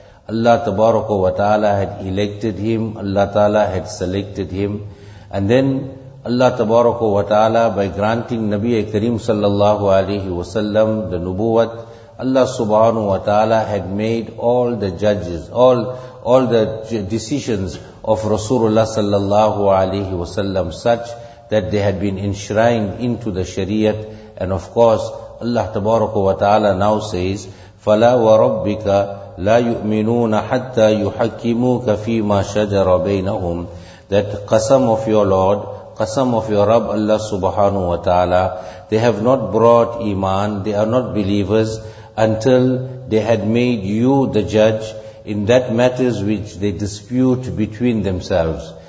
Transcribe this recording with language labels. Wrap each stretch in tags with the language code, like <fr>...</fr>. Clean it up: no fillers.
<en>Allah Tabaraka wa Ta'ala had elected him, Allah Ta'ala had selected him, and then Allah Tabaraka wa Ta'ala, by granting Nabi Kareem sallallahu alayhi wa sallam the nubuwat, Allah Subhanahu wa Ta'ala had made all the judges, all the decisions of Rasulullah sallallahu alayhi wa sallam such that they had been enshrined into the Shariat.</en> <ar>And of course Allah Tabaraka wa Ta'ala now says, فَلَا وَرَبِّكَ لَا يُؤْمِنُونَ حَتَّى يُحَكِّمُوكَ فِي مَا شَجَرَ بَيْنَهُمْ.</ar> <en>That qasam of your Lord, qasam of your Rabb Allah subhanahu wa ta'ala, they have not brought iman, they are not believers, until they had made you the judge in that matters which they dispute between themselves.</en>